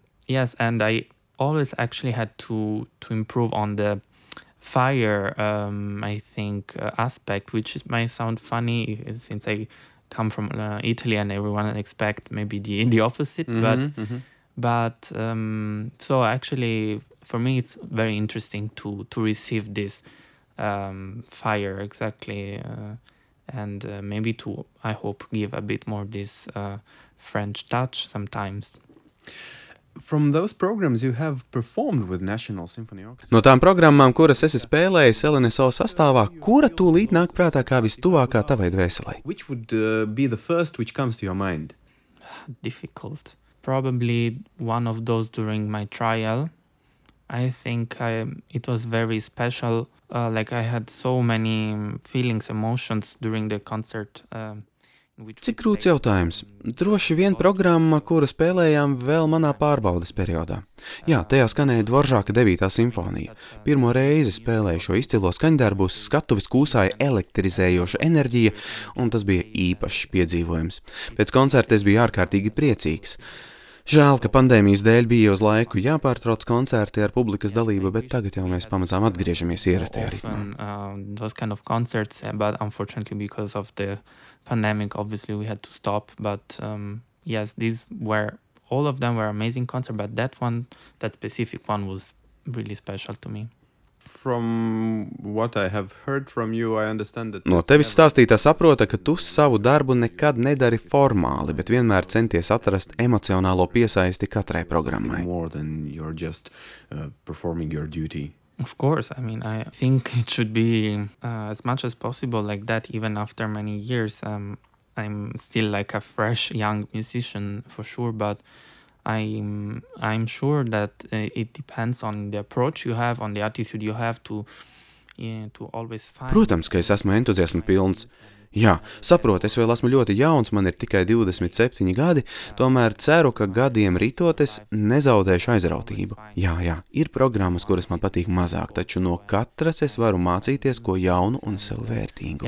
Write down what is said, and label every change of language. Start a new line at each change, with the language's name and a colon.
English: Yes, and I always actually had to improve on the fire, I think, aspect, which is, might sound funny since I come from Italy and everyone expect maybe the opposite, so actually for me it's very interesting to receive this fire exactly, and maybe to, I hope, give a bit more this French touch sometimes. From those programs you have performed with National Symphony Orchestra.
Latvian: No tām programmām, kuras esi spēlējis LNSO sastāvā, kura tūlīt nāk prātā kā vistuvākā tavai dvēselē?
English: Which would be the first which comes to your mind? Difficult. Probably one of those during my trial. I think it was very special, like I had so many feelings, emotions during the concert.
Latvian: Cik grūts jautājums? Droši vien programma, kuru spēlējām vēl manā pārbaudes periodā. Jā, tajā skanēja Dvoržāka 9. simfonija. Pirmo reizi spēlēju šo izcilo skaņdarbu, skatuvis kūsāja elektrizējoša enerģija, un tas bija īpašs piedzīvojums. Pēc koncerta es biju ārkārtīgi priecīgs. Žēl, ka pandēmijas dēļ bija uz laiku jāpārtrauc koncerti ar publikas dalību, bet tagad jau mēs pamazām atgriežamies ierastajā ritmā.
English: Those kind of concerts, but unfortunately because of the pandemic, obviously we had to stop, but yes, these were, all of them were amazing concerts, but that one, that specific one was really special to me. From what I have heard from you, I understand that...
Latvian: No tevis stāstītā saprota, ka tu savu darbu nekad nedari formāli, bet vienmēr centies atrast emocionālo piesaisti katrai programmai.
English: More than you're just performing your duty. Of course, I mean, I think it should be as much as possible like that, even after many years. I'm still like a fresh young musician for sure, but... I'm sure that it depends on the approach you have, on the attitude you have to always find.
Latvian: Protams, ka es esmu entuziasma pilns. Jā, saprot, es vēl esmu ļoti jauns, man ir tikai 27 gadi, tomēr ceru, ka gadiem ritoties nezaudēšu aizrautību. Jā, ir programmas, kuras man patīk mazāk, taču no katras es varu mācīties ko jaunu un sev vērtīgu.